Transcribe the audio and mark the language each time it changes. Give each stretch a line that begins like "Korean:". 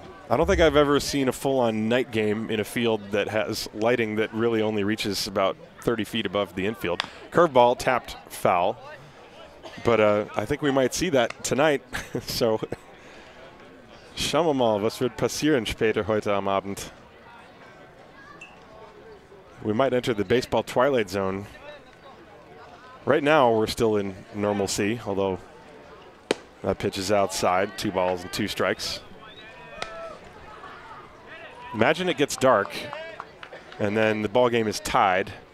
English: I don't think I've ever seen a full-on night game in a field that has lighting that really only reaches about 30 feet above the infield. Curveball, tapped, foul. But I think we might see that tonight.
German: So, schauen wir mal, was wird passieren später heute am Abend.
English: We might enter the baseball twilight zone. Right now, we're still in normalcy, although that pitch is outside. Two balls and two strikes. Imagine it gets dark, and then the ball game is tied.